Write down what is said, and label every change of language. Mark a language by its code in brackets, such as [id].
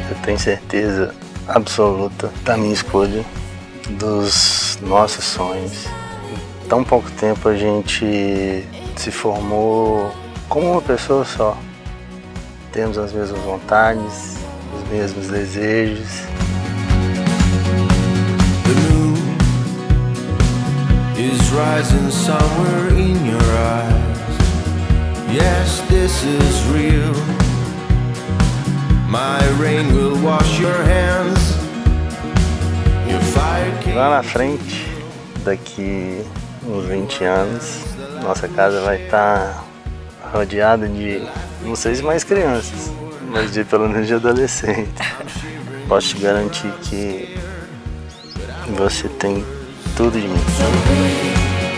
[pt] Tenho certeza absoluta da minha escolha, dos nossos sonhos. Em tão pouco tempo a gente se formou como uma pessoa só. Temos as mesmas vontades, os mesmos desejos. [en] The moon is rising somewhere in your eyes. Yes, this is real. My rain will wash your hands. Your fire can... [pt] Lá na frente, daqui uns 20 anos, nossa casa vai estar rodeada de, não sei se mais crianças, mas de pelo menos de adolescentes. Posso te garantir que você tem tudo de mim.